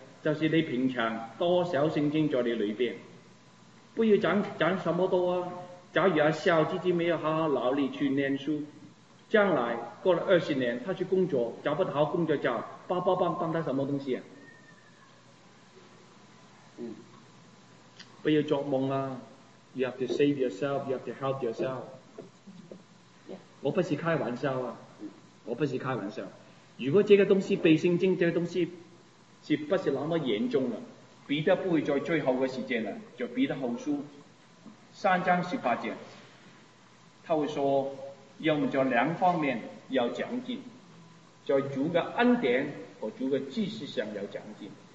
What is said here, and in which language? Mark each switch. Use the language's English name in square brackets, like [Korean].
[Chinese] 就是你平常多少圣经在你里边，不要讲什么多啊。假如阿孝自己没有好好努力去念书，将来过了二十年他去工作，找不到工作，找爸爸帮他什么东西啊？不要做梦啦。 [English] You have to save yourself, you have to help yourself. [Chinese] 我不是开玩笑啊，我不是开玩笑。如果这个东西被圣经，这个东西是不是那么严重了，彼得不会在最后的时间了，就彼得后书三章十八节，他会说要么在两方面要长进，在主的恩典和主的知识上要长进。